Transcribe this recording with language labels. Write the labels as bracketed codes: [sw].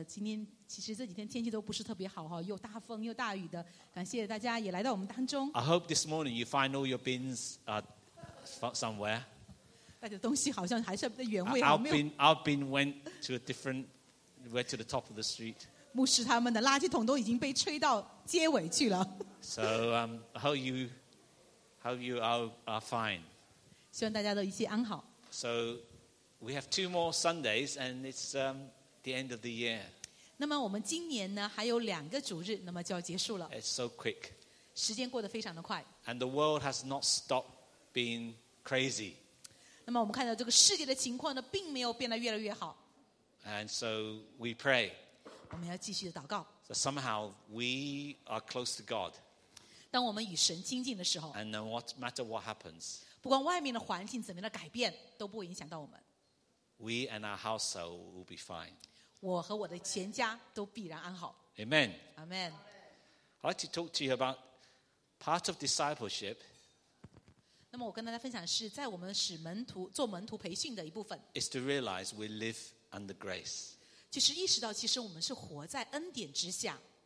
[zh] 今天其实这几天天气都不是特别好，又大风又大雨的，感谢大家也来到我们当中。 [en] I hope this morning you find all your bins somewhere. [zh] 大家的东西好像还是原位。 [en] Our bin went to a different went to the top of the street. [zh] 牧师他们的垃圾桶都已经被吹到街尾去了。 [en] So how you are fine. [zh] 希望大家都一切安好。 [en] So we have two more Sundays and it's the end of the year. [zh] 那么我们今年呢还有两个主日，那么就要结束了。 [en] It's so quick. [zh] 时间过得非常的快。 [en] And the world has not stopped being crazy. [zh] 那么我们看到这个世界的情况呢并没有变得越来越好。 [en] And so we pray. [zh] 我们要继续的祷告。 [en] So somehow we are close to God. [zh] 当我们与神亲近的时候。 [en] And no matter what happens. [zh] 不管外面的环境怎么样的改变都不会影响到我们。 [en] We and our household will be fine. [zh] 我和我的全家都必然安好。 [en] Amen. Amen. I'd like to talk to you about part of discipleship. [zh] 那么我跟大家分享的是在我们使门徒做门徒培训的一部分。 [en] Is to realize we live under grace. [zh] 就是意识到其实我们是活在恩典之下。